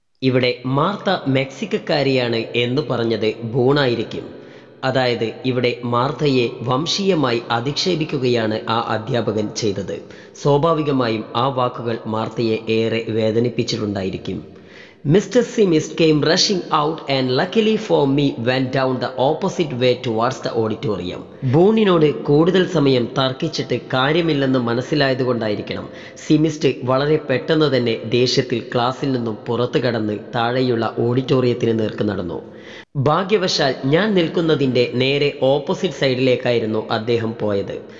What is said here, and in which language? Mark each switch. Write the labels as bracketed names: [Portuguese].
[Malayalam] ഇവിടെ മാർത്ത മെക്സിക്കക്കാരിയാണ് എന്ന് പറഞ്ഞത് ബൂണായിരിക്കും. അതായത്, ഇവിടെ മാർത്തയെ വംശീയമായി അധിക്ഷേപിക്കുകയാണ് ആ അധ്യാപകൻ ചെയ്തത്. സ്വാഭാവികമായും ആ വാക്കുകൾ മാർത്തയെ ഏറെ വേദനിപ്പിച്ചിട്ടുണ്ടായിരിക്കും. [English] Mr. Simist came rushing out and luckily for me went down the opposite way towards the auditorium. [Malayalam] ബൂണിനോട് കൂടുതൽ സമയം തർക്കിച്ചിട്ട് കാര്യമില്ലെന്ന് മനസ്സിലായതുകൊണ്ടായിരിക്കണം സിമിസ്റ്റ് വളരെ പെട്ടെന്ന് തന്നെ ദേഷ്യത്തിൽ ക്ലാസ്സിൽ നിന്നും പുറത്തു കടന്ന് താഴെയുള്ള ഓഡിറ്റോറിയത്തിന് നേർക്ക് നടന്നു. ഭാഗ്യവശാൽ ഞാൻ നിൽക്കുന്നതിൻ്റെ നേരെ ഓപ്പോസിറ്റ് സൈഡിലേക്കായിരുന്നു അദ്ദേഹം പോയത്.